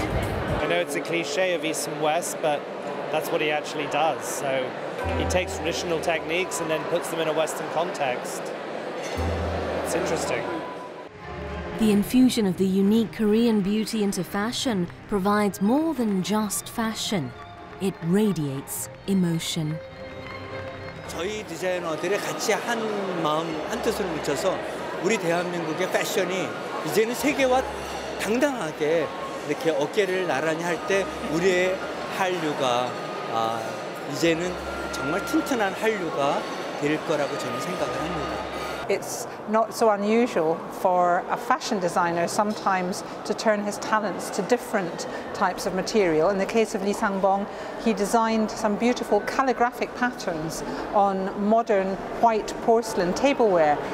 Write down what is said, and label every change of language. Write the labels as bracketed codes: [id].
[en] I know it's a cliche of East and West, but that's what he actually does. So he takes traditional techniques and then puts them in a Western context. It's interesting. The infusion of the unique Korean beauty into fashion provides more than just fashion. It radiates emotion. [ko] 저희 디자이너들이 같이 한 마음 한 뜻을 묻혀서 우리 대한민국의 패션이 이제는 세계와 당당하게 이렇게 어깨를 나란히 할 때 우리의 한류가 이제는 정말 튼튼한 한류가 될 거라고 저는 생각을 합니다. [en] It's not so unusual for a fashion designer sometimes to turn his talents to different types of material. In the case of Lie Sang-bong, he designed some beautiful calligraphic patterns on modern white porcelain tableware.